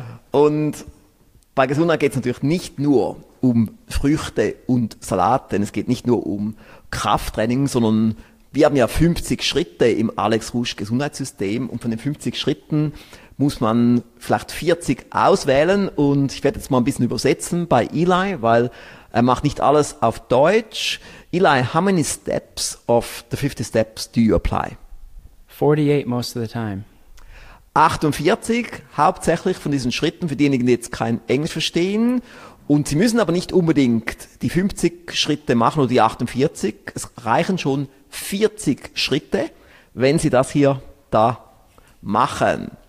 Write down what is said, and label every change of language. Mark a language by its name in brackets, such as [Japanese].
[German] Und bei Gesundheit geht es natürlich nicht nur um Früchte und Salat, denn es geht nicht nur um Krafttraining, sondern Wir haben ja 50 Schritte im Alex Rusch Gesundheitssystem und von den 50 Schritten muss man vielleicht 40 auswählen und ich werde jetzt mal ein bisschen übersetzen bei Eli, weil er macht nicht alles auf Deutsch. [English] Eli, how many steps of the 50 steps do you apply? 48 most of the time. [German] 48 hauptsächlich von diesen Schritten für diejenigen, die jetzt kein Englisch verstehen. Und sie müssen aber nicht unbedingt die 50 Schritte machen oder die 48. Es reichen schon 40 Schritte, wenn sie das hier da machen.